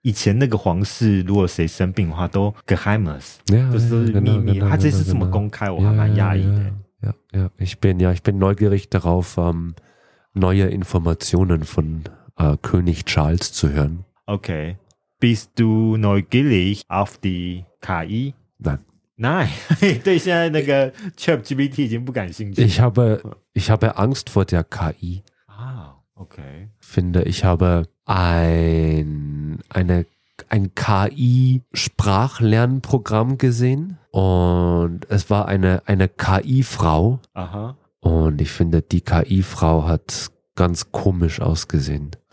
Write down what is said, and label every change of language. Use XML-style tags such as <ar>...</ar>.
<zh>他以前那个皇室如果谁生病的话 都geheimnis 就是秘密他这是怎么公开 我还蛮压抑的</zh> <de>Ich bin neugierig darauf neue Informationen von König Charles zu hören.</de> <en>Okay.</en> <de>Bist du neugierig auf die KI? Nein.</de> <zh>对现在那个 ChatGPT 已经不感兴趣了</zh> <de>Ich habe Angst vor der KI.</de> <en>Okay.</en> <de>Finde, ich habe ein KI-Sprachlernprogramm gesehen und es war eine KI-Frau. Aha. Und ich finde, die KI-Frau hat ganz komisch ausgesehen.</de>